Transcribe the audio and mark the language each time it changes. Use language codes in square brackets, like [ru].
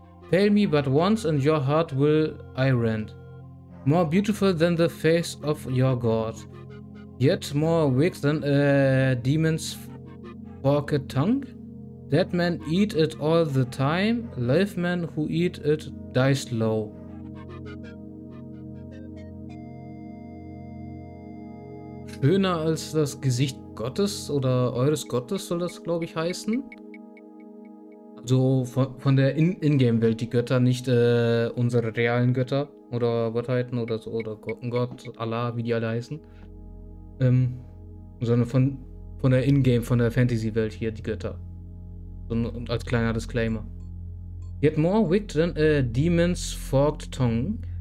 [en] Fail me but once, and your heart will I rend. More beautiful than the face of your god, yet more wicked than a demon's forked tongue. Dead men eat it all the time, live men who eat it die slow. [de] Schöner als das Gesicht Gottes oder eures Gottes soll das, glaube ich, heißen. So von der Ingame-Welt, die Götter, nicht unsere realen Götter oder Gottheiten oder so, oder Gott, Allah, wie die alle heißen. Sondern von der Ingame, von der Fantasy-Welt hier, die Götter. Und als kleiner Disclaimer. [en] Yet more wicked than a demon's forked tongue.